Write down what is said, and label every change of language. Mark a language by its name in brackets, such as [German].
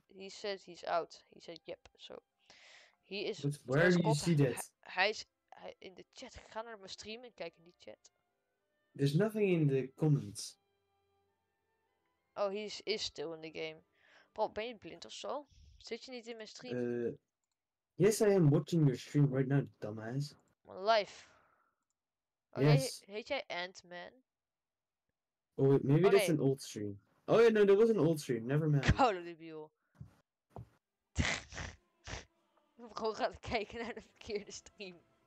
[English] He said he's out. He said yep. So. He is. But where do you see that? [Dutch] Hij is in de chat. Ga naar mijn stream en kijk in die chat. [English] There's nothing in the comments. Oh, he is still in the game. Bro, [Dutch] ben je blind of zo? Zit je niet in mijn stream? [English] Yes, I am watching your stream right now, dumbass. Live. Oh, yes. [Dutch] Heet jij Ant-Man? [English] Oh, wait, maybe that's an old stream. Oh, yeah, no, that was an old stream. Never mind. Call of the Buell. [Dutch] Gewoon gaan kijken naar de verkeerde stream.